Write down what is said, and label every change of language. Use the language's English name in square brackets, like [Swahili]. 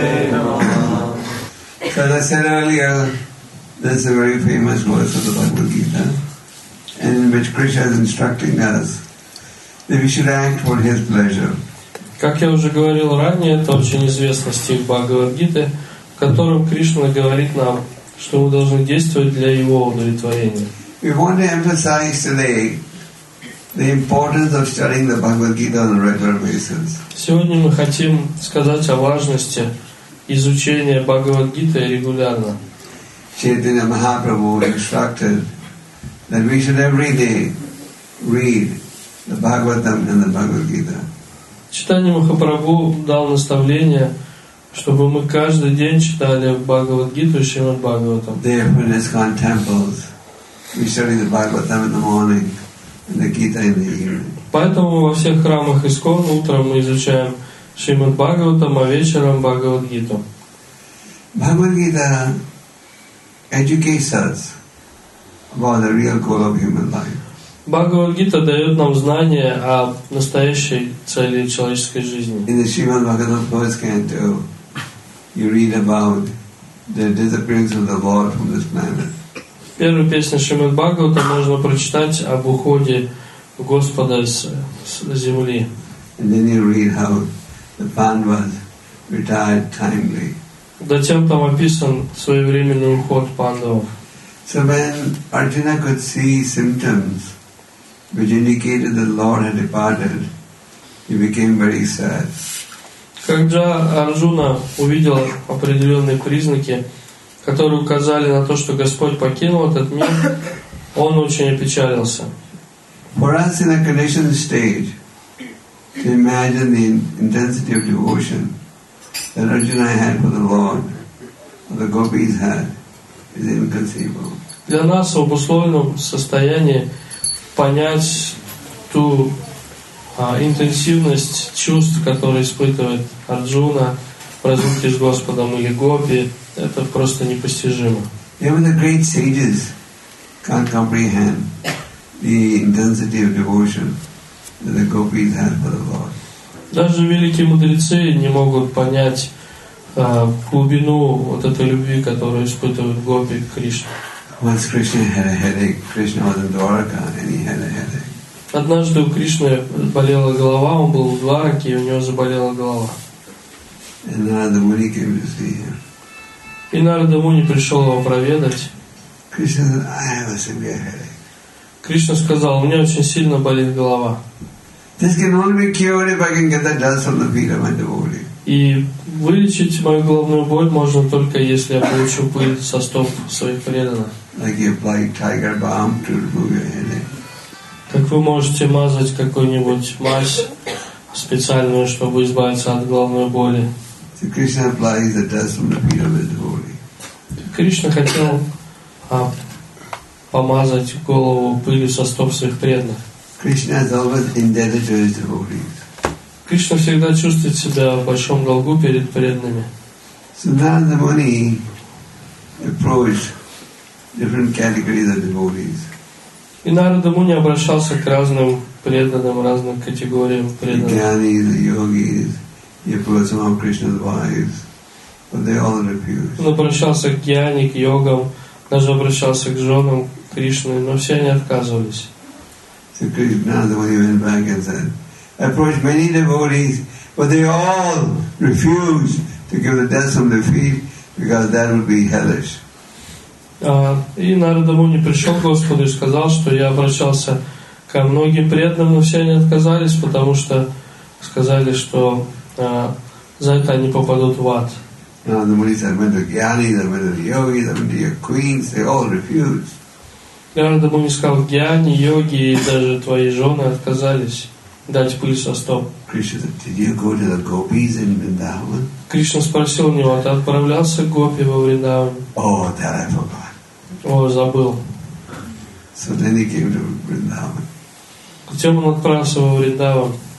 [English] So as I said earlier, this is a very famous verse of the Bhagavad Gita, in which Krishna is instructing us that we should act for His pleasure. [Russian] Как я уже говорил ранее, это очень известный стих Бхагавад Гиты, в котором Кришна говорит нам, что мы должны действовать для Его удовлетворения. [English] We want to emphasize today the importance of studying the Bhagavad Gita on a regular basis. [Russian] Сегодня мы хотим сказать о важности изучения Бхагавад Гиты регулярно. [English] Chaitanya Mahaprabhu instructed that we should every day read the Bhagavatam and the Bhagavad Gita. [Russian] Chaitanya Mahaprabhu дал наставление, чтобы мы каждый день читали Бхагавад Гиту и Шримад Бхагаватам. [English] Therefore, in his temples, We study the Bhagavatam in the morning and the Gita in the evening. [Russian] Поэтому во всех храмах ИСККОН утром мы изучаем Шримад Бхагаватам, а вечером Бхагавад Гиту. [English] Бхагавад Гита educates us about the real goal of human life. [Russian] Бхагавад Гита дает нам знания о настоящей цели человеческой жизни. [English] In the Shrimad Bhagavatam first canto, you read about the disappearance of the Lord from this planet. [Russian] В первой песне Шримад Бхагавата можно прочитать об уходе Господа с земли. [English] And then you read how the Pandavas retired timely. [Russian] Затем там описан своевременный уход пандавов. [English] So when Arjuna could see symptoms which indicated that the Lord had departed, he became very sad. [Russian] Когда Арджуна увидел определенные признаки, которые указали на то, что Господь покинул этот мир, он очень опечалился. [English] For us in a conditioned state, to imagine the intensity of devotion that Arjuna had for the Lord, or the gopis had, is inconceivable. [Russian] Для нас в обусловленном состоянии понять ту интенсивность чувств, которые испытывает Арджуна в разлуке с Господом или гопи, это просто непостижимо. [English] Even the great sages can't comprehend the intensity of devotion that the gopis had for the Lord. [Russian] Даже великие мудрецы не могут понять глубину вот этой любви, которую испытывают гопи к Кришне. [English] Once Krishna had a headache, Krishna was in Dwarka and he had a headache. [Russian] Однажды у Кришны болела голова, он был в Двараке, и у него заболела голова. [English] And Narada Muni came to see him. [Russian] И Нарада Муни пришел его проведать. [English] Krishna said, I have a severe headache. [Russian] Кришна сказал, у меня очень сильно болит голова. [English] This can only be cured if I can get the dust on the feet of my devotee. [Russian] И вылечить мою головную боль можно только если я получу пыль со стоп своих преданных. [English] Like you apply tiger balm to remove your headache. [Russian] Как вы можете мазать какую-нибудь мазь специальную, чтобы избавиться от головной боли? [English] So Krishna applies the dust on the feet of his devotee. [Russian] Кришна хотел помазать голову пылью со стоп своих преданных. [English] Krishna is always indebted to his devotees. [Russian] Кришна всегда чувствует себя в большом долгу перед преданными. [English] So Narada Muni approached different categories of devotees. [Russian] И Нарада Муни обращался к разным преданным, разным категориям преданных. [English] Gyanis, the yogis, he approached some of Krishna's wives, but they all refused. [Russian] Он обращался к гьяни, к йогам, даже обращался к женам Кришны, но все они отказывались. [English] So Krishna, Narada Muni went back and said, I approached many devotees, but they all refused to give the dust on their feet because that would be hellish. [Russian] И Нарада Муни пришел к Господу и сказал, что я обращался ко многим преданным, но все они отказались, потому что сказали, что за это они попадут в ад. [English] Narada Muni said, I went to gyanis, I went to yogis, I went to your queens, they all refused. [Russian] Нарада Муни сказал, гьяни, йоги и даже твои жены отказались. Дать пыль со стоп. [English] Krishna said, did you go to the gopis in Vrindavan? [Russian] Кришна спросил у него, ты отправлялся к гопи во Вриндаван? [English] Oh, that I forgot. [Russian] О, забыл. [English] So then he came to Vrindavan. [Russian] Затем он отправился во Вриндаван.